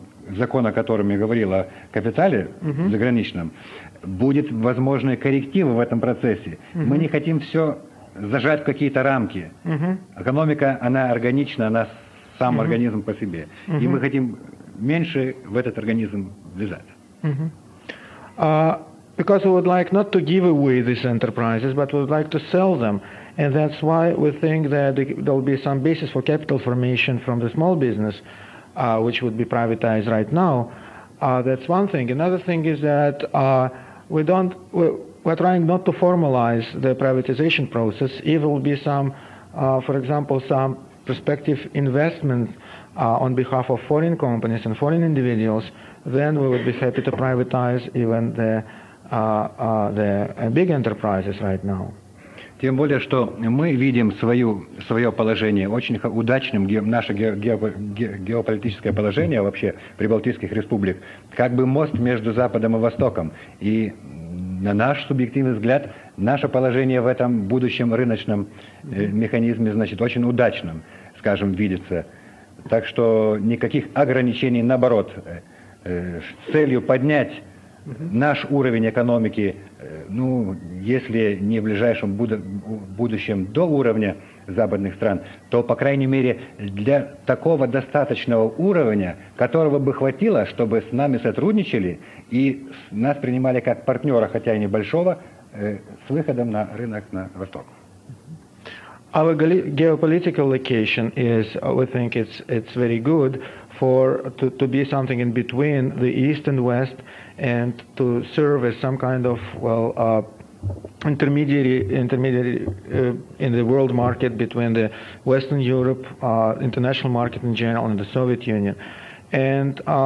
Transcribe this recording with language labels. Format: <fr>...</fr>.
<ru>закон, о котором я говорил, о капитале заграничном, будет возможны коррективы в этом процессе. Мы не хотим все зажать в какие-то рамки. Экономика, она органична, она сам организм по себе. И мы хотим меньше в этот организм влезать.</ru> <en>Because we would like not to give away these enterprises, but we would like to sell them. And that's why we think that there will be some basis for capital formation from the small business, which would be privatized right now. That's one thing. Another thing is that we're trying not to formalize the privatization process. If there will be some, for example, some prospective investment on behalf of foreign companies and foreign individuals, then we would be happy to privatize even the big enterprises right now.</en> <ru>Тем более, что мы видим свое положение очень удачным, наше геополитическое положение вообще прибалтийских республик, как бы мост между Западом и Востоком. И на наш субъективный взгляд, наше положение в этом будущем рыночном механизме, значит, очень удачным, скажем, видится. Так что никаких ограничений, наоборот, с целью поднять наш уровень экономики, ну, если не в ближайшем будущем до уровня западных стран, то, по крайней мере, для такого достаточного уровня, которого бы хватило, чтобы с нами сотрудничали и нас принимали как партнера, хотя и небольшого, с выходом на рынок на Восток.</ru> <en>Our geopolitical location is, we think it's very good for to be something in between the East and West, and to serve as some kind of intermediary in the world market between the Western Europe, international market in general, and the Soviet Union, and</en>